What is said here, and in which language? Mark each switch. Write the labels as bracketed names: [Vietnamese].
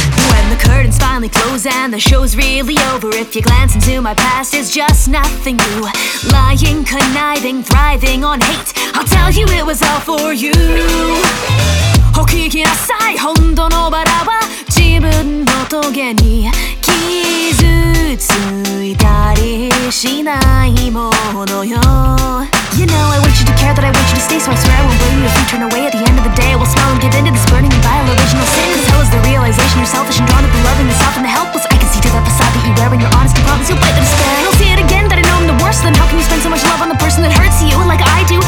[English] When the curtains finally close and the show's really over, if you glance into my pastIt's just nothing new. Lying, conniving, thriving on hate. I'll tell you it was all for you. [Japanese] お聞きなさい、本当のバラは自分の棘に傷ついたりしないものよ。 [English] You know I want you to care that I want you to stay, so I swear I won't blame you if you turn away. At the end of the day I will smile and give in to this burning and vile original sin. Cause hell is the realization you're selfish and drawn to the loving, the soft and the helpless. I can see through that facade that you wear when you're honest and promise you'll bite them stay. You'll see it again that I know I'm the worst. Then how can you spend so much love on the person that hurts you like I do?